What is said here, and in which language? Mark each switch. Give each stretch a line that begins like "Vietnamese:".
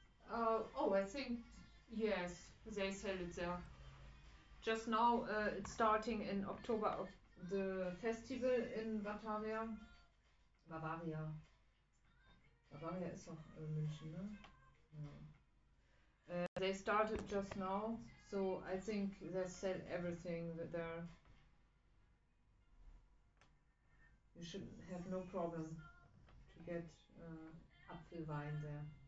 English: Oh, I think yes, they sell it there. Just now it's starting in October of the festival in Batavia. Bavaria.
German: Bavaria ist auch München, ne?
English: Yeah. They started just now, so I think they sell everything there. You should have no problem to get Apfelwein there.